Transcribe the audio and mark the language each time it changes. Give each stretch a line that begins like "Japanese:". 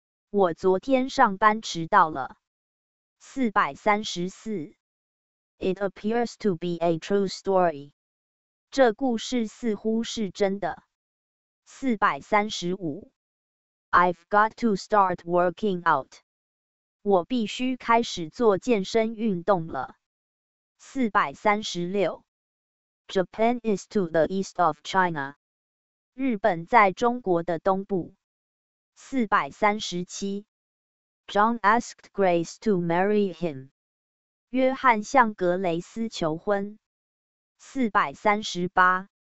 Chinese: 我昨天上班迟到了。434
English: It appears to be a true story.
Chinese: 这故事似乎是真的。435
English: I've got to start working out.
Chinese: 我必须开始做健身运动了。 436
English: Japan is to the east of China.
Chinese: 日本在中国的东部。437
English: John asked Grace to marry him.
Chinese: 约翰向格雷斯求婚。438